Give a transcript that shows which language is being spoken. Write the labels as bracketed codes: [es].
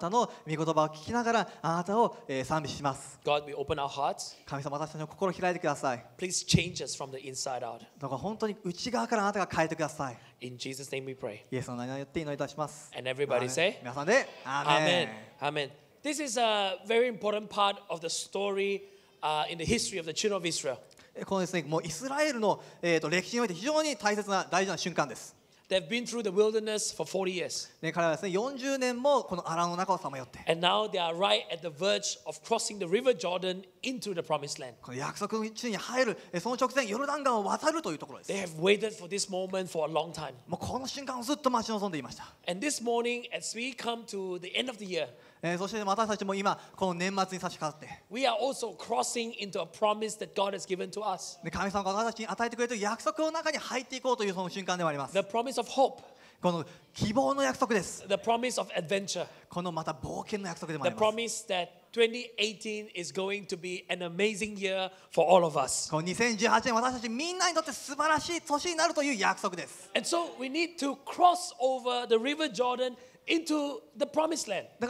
[ja] 神様、今日あなたの御言葉を聞きながらあなたを賛美します。 [en] God, we open our hearts. [ja] 神様、私たちの心を開いてください。 [en] Please change us from the inside out. [ja] だから本当に内側からあなたが変えてください。 [en] In Jesus' name we pray. [ja] イエスの名前によって祈りいたします。 [en] And everybody say, [ja] 皆さんで、 [en] Amen. Amen. This is a very important part of the story in the history of the children of Israel. [ja] このですね、もうイスラエルの歴史において非常に大切な大事な瞬間です。They've [en] been through the wilderness for 40 years. [ja] ね、彼らはですね、40年もこの荒野の中をさまよって。And [en] now they are right at the verge of crossing the River Jordan into the Promised Land. [ja] この約束の地に入る、その直前ヨルダン川を渡るというところです。They [en] have waited for this moment for a long time. [ja] もうこの瞬間をずっと待ち望んでいました。And [en] this morning, as we come to the end of the year. [ja] そして私たちも今この年末に差し掛かって。We [en] are also crossing into a promise that God has given to us. [ja] 神様が私たちに与えてくれている約束の中に入っていこうというその瞬間でもあります。 [en] The promise of hope. [ja] この希望の約束です。 [en] The promise of adventure. [ja] このまた冒険の約束でもあります。 [en] The promise that 2018 is going to be an amazing year for all of us. [ja] この2018年私たちみんなにとって素晴らしい年になるという約束です。 [en] And so we need to cross over the River Jordan into the promised land.